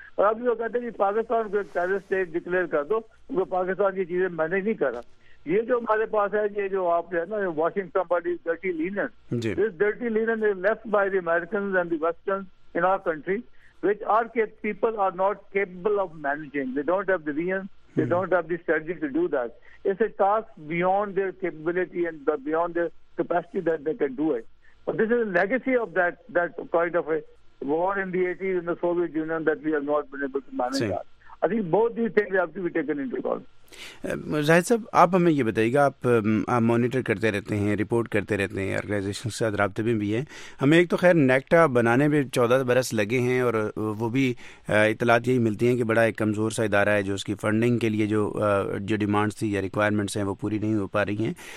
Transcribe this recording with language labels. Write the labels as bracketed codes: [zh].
[ur] اور ابھی وہ کہتے ہیں کہ پاکستان کو ایک ٹیرر اسٹیٹ ڈکلیئر کر دو, کیونکہ پاکستان کی چیزیں میں نے نہیں کرا. یہ جو ہمارے پاس ہے, یہ جو آپ جو ہے نا [en] Washing some body dirty linen, this dirty linen is left by the Americans and the westerns in our country which our people are not capable of managing. They don't have the reason, they don't have the strategy to do that. It's a task beyond their capability and beyond their capacity that they can do it. But this is a legacy of that kind of a war in the 80s in the Soviet Union that we have not been able to manage that. I think both these things have to be taken into account. [ur] زاہد صاحب, آپ ہمیں یہ بتائیے گا, آپ monitor کرتے رہتے ہیں, report کرتے رہتے ہیں, آرگنائزیشن کے ساتھ رابطے میں بھی ہیں. ہمیں ایک تو خیر نیکٹا بنانے میں 14 برس لگے ہیں, اور وہ بھی اطلاعات یہی ملتی ہیں کہ بڑا ایک کمزور سا ادارہ ہے, جو اس کی فنڈنگ کے لیے جو ڈیمانڈس تھی یا ریکوائرمنٹس ہیں وہ پوری نہیں ہو پا رہی ہیں.